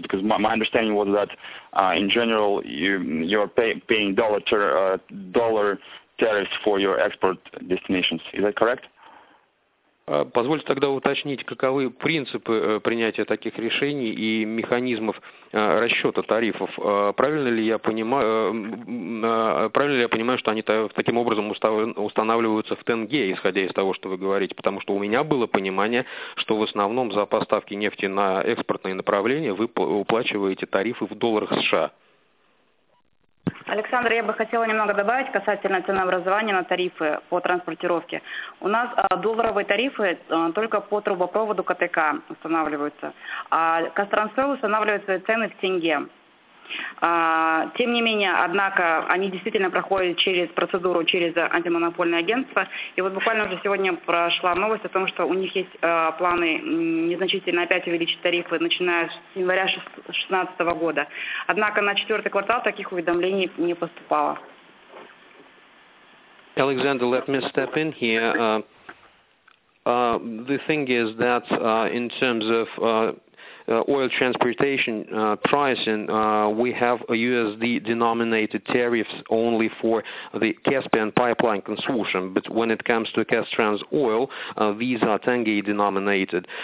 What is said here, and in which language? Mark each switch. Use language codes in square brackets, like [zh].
[en] Because my understanding was that in general you're paying dollar tariffs for your export destinations. Is that correct? [ru] Позвольте тогда уточнить, каковы принципы принятия таких решений и механизмов расчета тарифов. Правильно ли я понимаю, что они таким образом устанавливаются в тенге, исходя из того, что вы говорите? Потому что у меня было понимание, что в основном за поставки нефти на экспортные направления вы уплачиваете тарифы в долларах США. Александр, я бы хотела немного добавить касательно ценообразования на тарифы по транспортировке. У нас долларовые тарифы только по трубопроводу КТК устанавливаются, а Kaztrans.oil устанавливает свои цены в тенге. Тем не менее, однако, они действительно проходят через процедуру, через антимонопольное агентство. И вот буквально уже сегодня прошла новость о том, что у них есть планы незначительно опять увеличить тарифы, начиная с января 2016 года. Однако на четвертый квартал таких уведомлений не поступало. [en] Alexander, let me step in here. The thing is that in terms of oil transportation pricing, we have a USD-denominated tariffs only for the Caspian Pipeline Consortium, but when it comes to Kaztrans Oil, these are tenge-denominated.